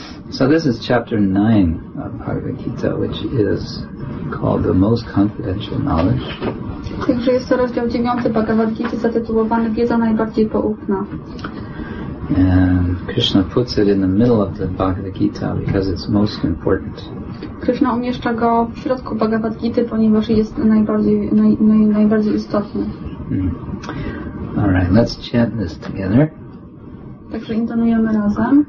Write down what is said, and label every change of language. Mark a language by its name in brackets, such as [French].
[English] So this is chapter 9 of Bhagavad Gita, which is called the most confidential knowledge. [Polish] Także jest to rozdział 9 Bhagavad Gita zatytułowany Wiedza najbardziej poufna. [English] And Krishna puts it in the middle of the Bhagavad Gita because it's most important. [Polish] Krishna umieszcza go w środku Bhagavad Gita, ponieważ jest najbardziej istotny. [English] All right, let's chant this together. [Polish] Także intonujemy razem.